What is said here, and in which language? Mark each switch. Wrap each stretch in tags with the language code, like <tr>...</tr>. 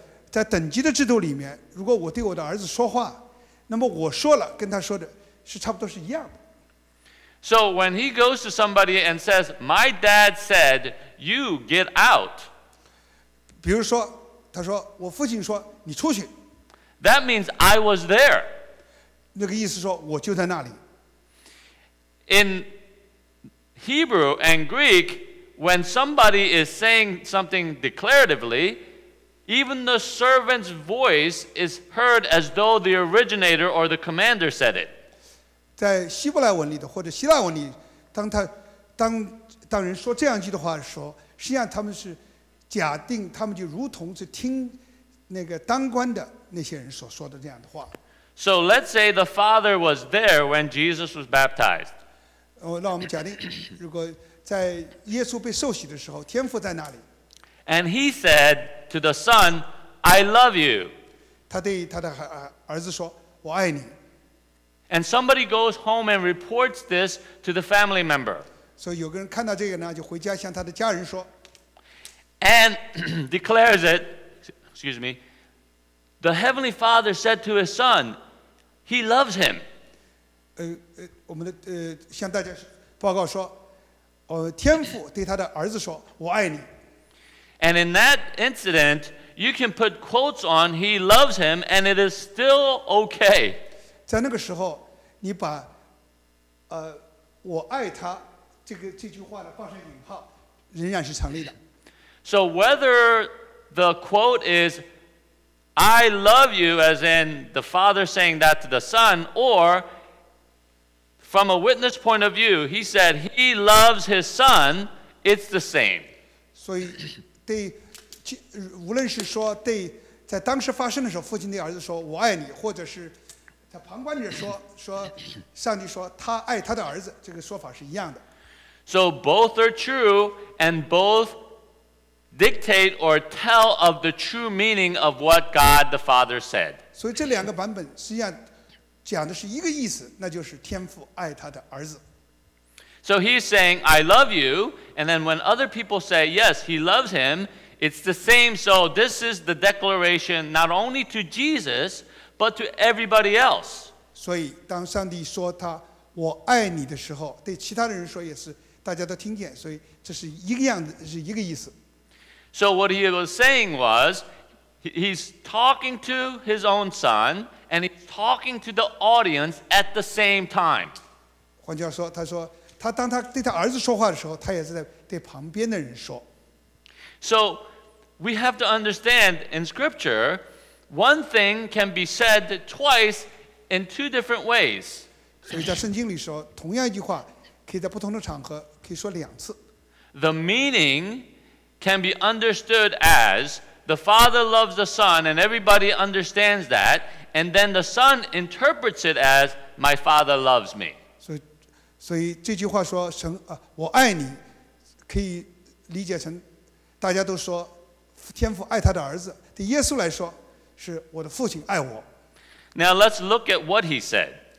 <zh>在等级的制度里面，如果我对我的儿子说话，那么我说了跟他说的是差不多是一样的。</zh> <en>So when he goes to somebody and says, "My dad said you get out."</en> <zh>比如说，他说我父亲说你出去。</zh> <en>That means I was there.</en> <zh>那个意思说我就在那里。</zh> <en>In Hebrew and Greek, when somebody is saying something declaratively. Even the servant's voice is heard as though the originator or the commander said it.</en> <zh>在希伯来文里的或者希腊文里，当人说这样一句的话的时候，实际上他们是假定他们就如同是听那个当官的那些人所说的这样的话。</zh> <en>So let's say the father was there when Jesus was baptized.</en> <zh>让我们假定，如果在耶稣被受洗的时候，天父在那里。</zh> <en>And he said to the son, "I love you."</en> <zh>他对他的儿子说，我爱你。</zh> <en>And somebody goes home and reports this to the family member.</en> <zh>所以有个人看到这个呢，就回家向他的家人说。</zh> <en>And declares it, excuse me, the heavenly father said to his son, "He loves him."</en> <zh>我们的向大家报告说，天父对他的儿子说，我爱你。</zh> <en>And in that incident, you can put quotes on "He loves him," and it is still okay.</en> <zh>在那个时候，你把我爱他这句话呢放上引号，仍然是成立的。</zh> <en>So whether the quote is "I love you," as in the father saying that to the son, or from a witness point of view, he said he loves his son, it's the same.</en> <zh>所以。对，无论是说对在当时发生的时候，父亲对儿子说“我爱你”，或者是在旁观者说上帝说他爱他的儿子，这个说法是一样的。</zh> <en>So both are true, and both dictate or tell of the true meaning of what God the Father said.</en> <zh>所以这两个版本实际上讲的是一个意思，那就是天父爱他的儿子。</zh> <en>So he's saying, I love you, and then when other people say, yes, he loves him, it's the same. So this is the declaration not only to Jesus, but to everybody else.</en> <zh>所以当上帝说他我爱你的时候，对其他的人说也是，大家都听见，所以这是一个样子，是一个意思。</zh> <en>So what he was saying was, he's talking to his own son, and he's talking to the audience at the same time.</en> <zh>换句话说，他说他当他对他儿子说话的时候，他也是在对旁边的人说。</zh> <en>So we have to understand in Scripture, one thing can be said twice in two different ways.</en> <zh>所以在圣经里说，同样一句话可以在不同的场合可以说两次。</zh> <en>The meaning can be understood as the Father loves the Son, and everybody understands that, and then the Son interprets it as my Father loves me.</en> <zh>所以这句话说神、我爱你，可以理解成大家都说天父爱他的儿子，对耶稣来说是我的父亲爱我。</zh> <en>Now let's look at what he said.</en>